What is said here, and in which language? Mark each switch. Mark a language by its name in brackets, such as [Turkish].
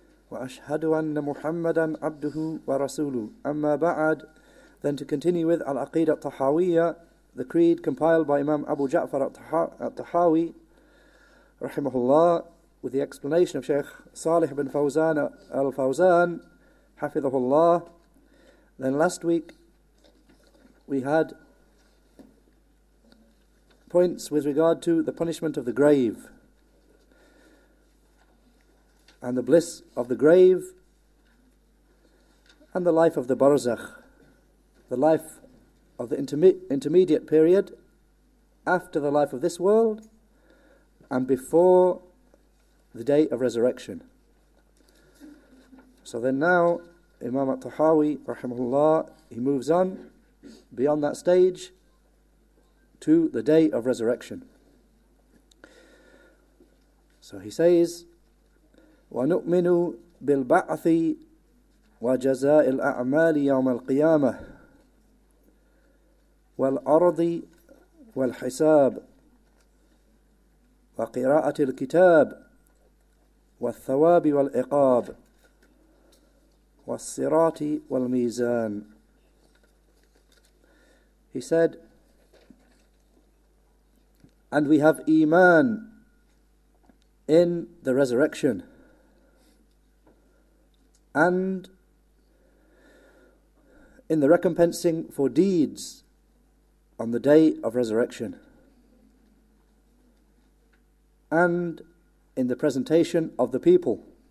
[Arabic] وأشهد أن محمدا عبده ورسوله أما بعد [English] then to continue with العقيدة الطحاوية The creed compiled by Imam Abu Ja'far al-Tahawi, rahimahullah, with the explanation of Sheikh Salih bin Fawzan al-Fawzan, hafidhahullah. Then last week we had points with regard to the punishment of the grave and the bliss of the grave and the life of the barzakh, the life of the intermediate period after the life of this world and before the day of resurrection. So then now, Imam al-Tahawi, rahimahullah, he moves on beyond that stage to the day of resurrection. So he says, [Arabic] وَنُؤْمِنُ بِالْبَعْثِ وَجَزَاءِ الْأَعْمَالِ يَوْمَ الْقِيَامَةِ والأرض والحساب وقراءة الكتاب والثواب والعقاب والصراط والميزان. [English] He said, and we have Eemaan in the resurrection and in the recompensing for deeds on the day of resurrection and in the presentation of the people